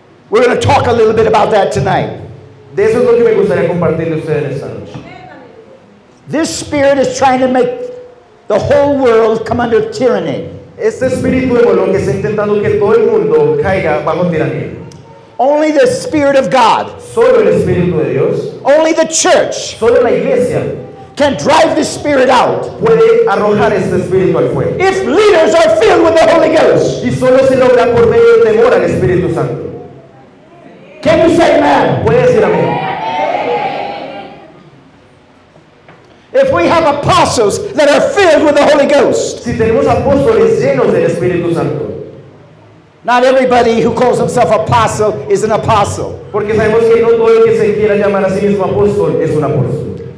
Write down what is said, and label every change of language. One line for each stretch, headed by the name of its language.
English: We're going to talk a little bit about that tonight.
Spanish: De eso es lo que me gustaría compartirle a ustedes esta noche.
English: This spirit is trying to make the whole world come under tyranny.
Spanish: Este espíritu de Moloch está intentando que todo el mundo caiga bajo tiranía.
English: Only the Spirit of God.
Spanish: Solo el Espíritu de Dios.
English: Only the church.
Spanish: Solo la iglesia.
English: Can drive the Spirit out.
Spanish: Puede arrojar este Espíritu al fuego.
English: If leaders are filled with the Holy Ghost.
Spanish: Y solo se logra por medio del temor al Espíritu Santo.
English: Can you say amen?
Spanish: Puede decir amén.
English: If we have apostles that are filled with the Holy Ghost.
Spanish: Si tenemos apóstoles llenos del Espíritu Santo.
English: Not everybody who calls himself apostle is an apostle.
Spanish: Porque sabemos que no todo el que se quiera llamar a sí mismo apóstol es un apóstol.